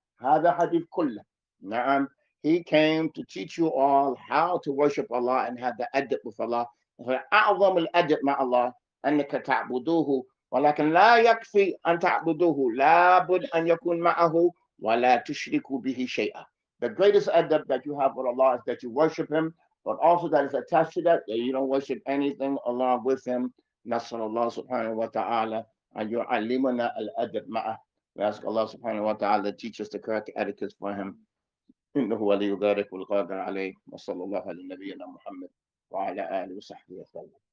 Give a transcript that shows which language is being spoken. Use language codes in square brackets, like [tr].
[ar] هذا حديث كله. نعم. [en] He came to teach you all how to worship Allah and have the adab with Allah. [ar] أعظم الأدب مع الله أنك تعبدوه ولكن لا يكفي أن تعبده، لا بد أن يكون معه ولا تشرك به شيئا. [en] The greatest adab that you have with Allah is that you worship Him, but also that is attached to that, that you don't worship anything along with Him. [ar] نسأل الله سبحانه وتعالى أن يعلمنا الأدب معه. [en] We ask Allah سبحانه وتعالى to teach us the correct etiquette for Him. [ar] إنه ولي ذلك والقادر عليه. وصلى الله على نبينا محمد وعلى آله وصحبه وسلم.